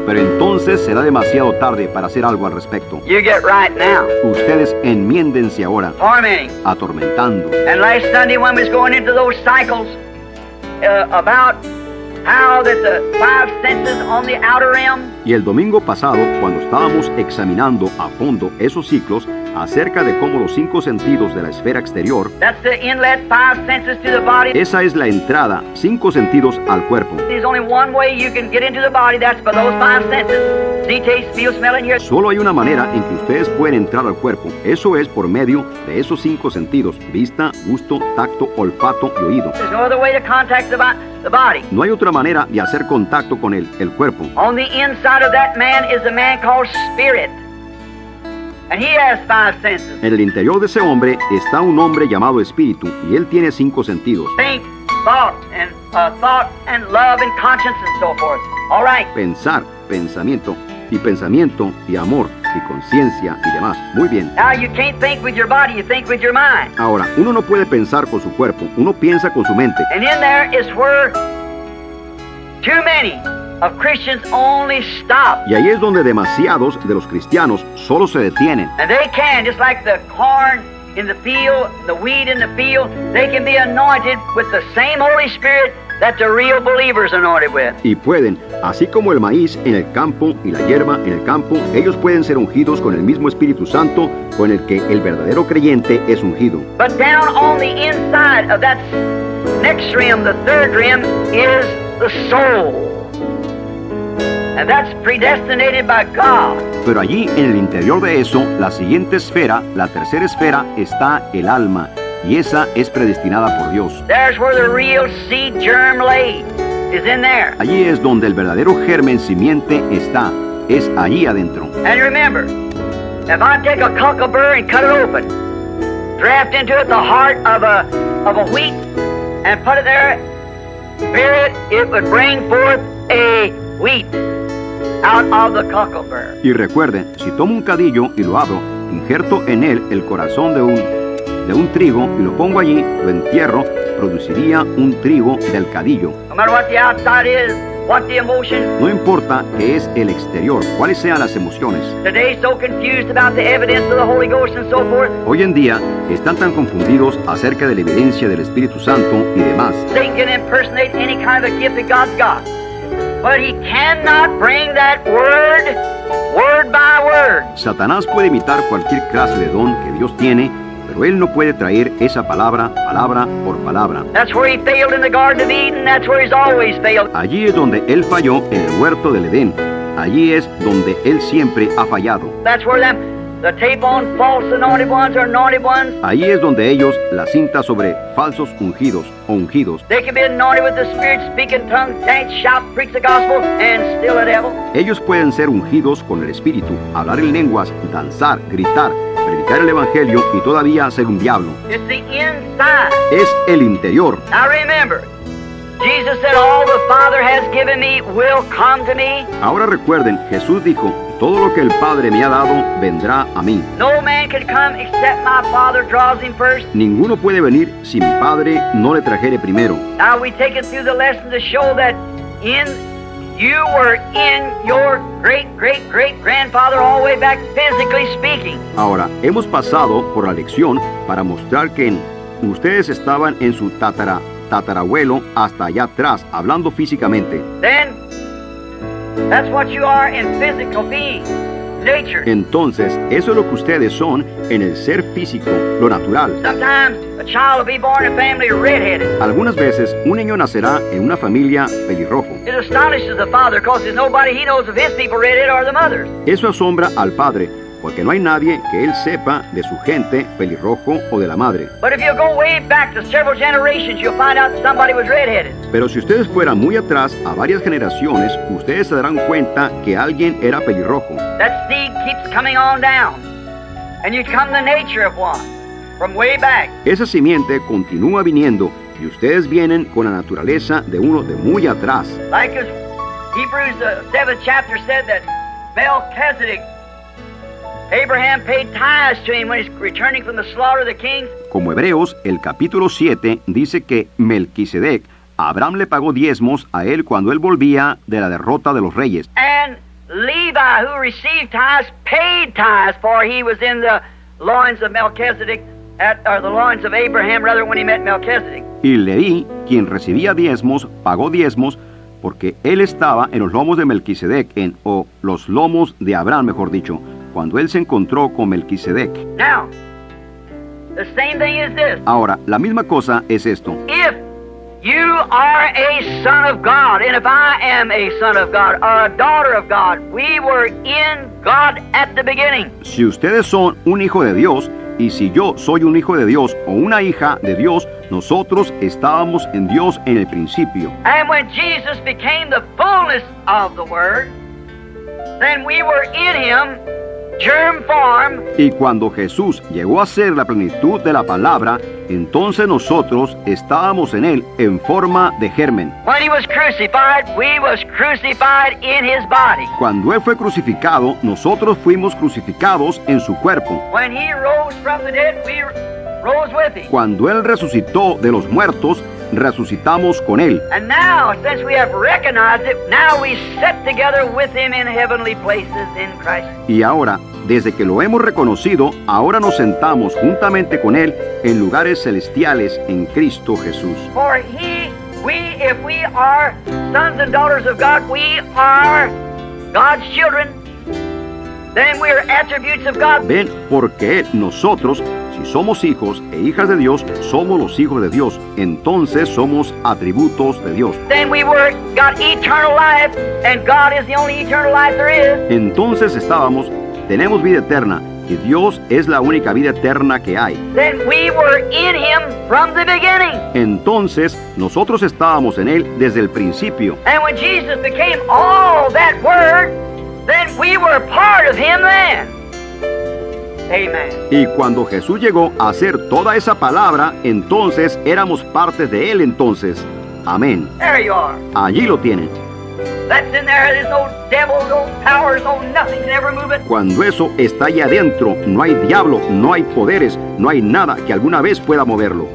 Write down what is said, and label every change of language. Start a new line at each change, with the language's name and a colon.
Spanish: Pero entonces será demasiado tarde para hacer algo al respecto.
English: You get right now.
Spanish: Ustedes enmiéndense ahora.
English: Tormenting.
Spanish: Atormentando.
English: And last Sunday when we was going into those cycles about how that the five senses on the outer rim.
Spanish: Y el domingo pasado cuando estábamos examinando a fondo esos ciclos acerca de cómo los cinco sentidos de la esfera exterior.
English: That's the inlet, five senses to the body.
Spanish: Esa es la entrada, cinco sentidos al cuerpo.
English: There's only one way you can get into the body, that's by those five senses. See, taste, feel, smell, and hear.
Spanish: Solo hay una manera en que ustedes pueden entrar al cuerpo. Eso es por medio de esos cinco sentidos: vista, gusto, tacto, olfato y oído.
English: There's no other way to contact the body.
Spanish: No hay otra manera de hacer contacto con el cuerpo.
English: On the inside of that man is a man called spirit. And he has five senses.
Spanish: En el interior de ese hombre está un hombre llamado espíritu y él tiene cinco sentidos.
English: Think, thought, and thought and love and conscience and so forth. All right.
Spanish: Pensar, pensamiento y amor y conciencia y demás. Muy bien.
English: Now you can't think with your body, you think with your mind.
Spanish: Ahora, uno no puede pensar con su cuerpo, uno piensa con su mente.
English: And in there is where too many of Christians only stop.
Spanish: Y ahí es donde demasiados de los cristianos solo se detienen.
English: And they can, just like the corn in the field, the wheat in the field, they can be anointed with the same Holy Spirit that the real believers are anointed with.
Spanish: Y pueden, así como el maíz en el campo y la hierba en el campo, ellos pueden ser ungidos con el mismo Espíritu Santo con el que el verdadero creyente es ungido.
English: But down on the inside of that next rim, the third rim, is the soul. And that's predestinated by God.
Spanish: Pero allí en el interior de eso, la siguiente esfera, la tercera esfera, está el alma, y esa es predestinada por Dios.
English: There's where the real seed germ lay, is in there.
Spanish: Allí es donde el verdadero germen simiente está, es allí adentro.
English: And remember, if I take a cockleburr and cut it open, draft into it the heart of a wheat, and put it there, bury it, it would bring forth a wheat. Out of the cockleburr.
Spanish: Y recuerden, si tomo un cadillo y lo abro, injerto en él el corazón de un trigo y lo pongo allí, lo entierro, produciría un trigo del cadillo.
English: No matter what the outside is, what the emotion.
Spanish: No importa qué es el exterior, cuáles sean las emociones.
English: Today so confused about the evidence of the Holy Ghost and so forth.
Spanish: Hoy en día están tan confundidos acerca de la evidencia del Espíritu Santo y demás.
English: They can impersonate any kind of gift that God's got. But he cannot bring that word by word.
Spanish: Satanás puede imitar cualquier clase de don que Dios tiene, pero él no puede traer esa palabra por palabra.
English: That's where he failed in the Garden of Eden. That's where he's always failed.
Spanish: Allí es donde él falló en el huerto del Edén. Allí es donde él siempre ha fallado.
English: That's where the tape on false anointed ones or anointed ones.
Spanish: Allí es donde ellos la cinta sobre falsos ungidos o ungidos.
English: They can be anointed with the Spirit, speak in tongues, dance, shout, preach the gospel, and still a devil.
Spanish: Ellos pueden ser ungidos con el Espíritu, hablar en lenguas, danzar, gritar, predicar el Evangelio y todavía ser un diablo.
English: It's the inside.
Spanish: Es el interior.
English: Now remember, Jesus said, "All the Father has given me will come to me."
Spanish: Ahora recuerden, Jesús dijo, todo lo que el Padre me ha dado vendrá a mí.
English: No man can come except my Father draws him first.
Spanish: Ninguno puede venir si mi Padre no le trajere primero.
English: Now we take it through the lesson to show that in you were in your great great great grandfather all the way back physically speaking.
Spanish: Ahora hemos pasado por la lección para mostrar que ustedes estaban en su tatarabuelo hasta allá atrás hablando físicamente.
English: Then, that's what you are in physical being, nature.
Spanish: Entonces, eso es lo que ustedes son en el ser físico, lo natural.
English: Sometimes a child will be born in a family redheaded.
Spanish: Algunas veces, un niño nacerá en una familia pelirrojo.
English: It astonishes the father because there's nobody he knows of his people redheaded or the mothers.
Spanish: Eso asombra al padre porque no hay nadie que él sepa de su gente pelirrojo o de la madre.
English: But if you go way back to several generations, you'll find out somebody was redheaded.
Spanish: Pero si ustedes fueran muy atrás a varias generaciones, ustedes se darán cuenta que alguien era pelirrojo.
English: That seed keeps coming on down, and you come the nature of one from way back.
Spanish: Esa simiente continúa viniendo y ustedes vienen con la naturaleza de uno de muy atrás.
English: Like as Hebrews 7th chapter said that Melchizedek, Abraham paid tithes to him when he's returning from the slaughter of the kings.
Spanish: Como Hebreos, el capítulo 7 dice que Melquisedec, Abraham le pagó diezmos a él cuando él volvía de la derrota de los reyes.
English: And Levi, who received tithes, paid tithes, for he was in the loins of Melchizedek, or the loins of Abraham, rather, when he met Melchizedek.
Spanish: Y Leví, quien recibía diezmos, pagó diezmos, porque él estaba en los lomos de Melquisedec, los lomos de Abraham, mejor dicho, cuando él se encontró con Melquisedec.
English: Now, the same thing is this.
Spanish: Ahora, la misma cosa es esto.
English: If you are a son of God, and if I am a son of God, or a daughter of God, we were in God at the beginning.
Spanish: Si ustedes son un hijo de Dios, y si yo soy un hijo de Dios o una hija de Dios, nosotros estábamos en Dios en el principio.
English: And when Jesus became the fullness of the word, then we were in him. germ form.
Spanish: Y cuando Jesús llegó a ser la plenitud de la palabra, entonces nosotros estábamos en él en forma de germen.
English: When he was crucified, we was crucified in his body.
Spanish: Cuando él fue crucificado, nosotros fuimos crucificados en su cuerpo.
English: When he rose from the dead, we rose with him.
Spanish: Cuando él resucitó de los muertos, resucitamos con él.
English: And now, since we have recognized it, now we sit together with him in heavenly places in Christ.
Spanish: Y ahora, desde que lo hemos reconocido, ahora nos sentamos juntamente con él en lugares celestiales en Cristo Jesús.
English: For he, we, if we are sons and daughters of God, we are God's children. Then we are attributes of God.
Spanish: Ven, porque él, nosotros, si somos hijos e hijas de Dios, somos los hijos de Dios. Entonces somos atributos de Dios.
English: Then we were got eternal life, and God is the only eternal life there is.
Spanish: Entonces estábamos, tenemos vida eterna, y Dios es la única vida eterna que hay.
English: Then we were in him from the beginning.
Spanish: Entonces nosotros estábamos en él desde el principio.
English: And when Jesus became all that word, then we were part of him then. Amen.
Spanish: Y cuando Jesús llegó a hacer toda esa palabra, entonces éramos parte de él entonces. Amén.
English: There you are.
Spanish: Allí lo tienen.
English: That's in there. There's no devil, no powers, no nothing can ever move it.
Spanish: Cuando eso está ahí adentro, no hay diablo, no hay poderes, no hay nada que alguna vez pueda moverlo.